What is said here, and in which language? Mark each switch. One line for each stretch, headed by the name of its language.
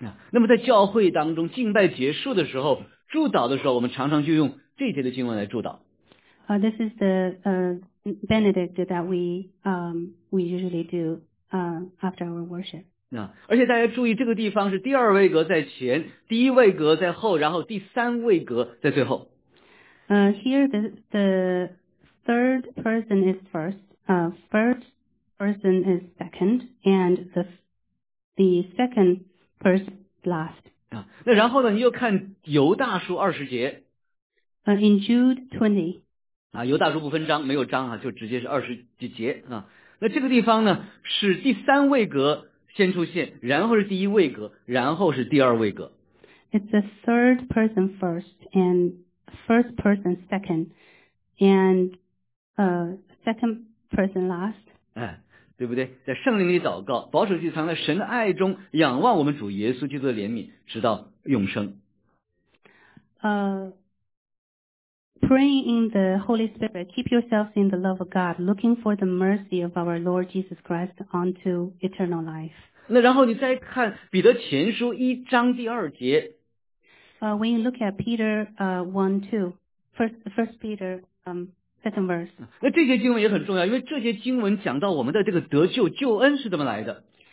Chinese: 那么在教会当中敬拜结束的时候，祝祷的时候，我们常常就用这节的经文来祝祷。
English: This is the Benedict that we usually do after our worship.
Chinese: 而且大家注意，这个地方是第二位格在前，第一位格在后，然后第三位格在最后。
English: Here the third person is first. First person is second, and the second person last.
Chinese: 那然后呢，你又看犹大书20节。
English: In Jude 20.
Chinese: 犹大书不分章，没有章啊，就直接是20几节啊。那这个地方呢，是第三位格先出现，然后是第一位格，然后是第二位格。
English: It's the third person first, and first person second, and second person last.
Chinese: 对不对？在圣灵里祷告，保守记藏在神的爱中，仰望我们主耶稣基督的怜悯，直到永生。
English: Praying in the Holy Spirit, keep yourselves in the love of God, looking for the mercy of our Lord Jesus Christ unto eternal life.
Chinese: 那然后你再看彼得前书一章第二节。
English: When you look at Peter 1:2, 1 Peter, Second verse.
Chinese: 那这些经文也很重要，因为这些经文讲到我们的这个得救救恩是怎么来的。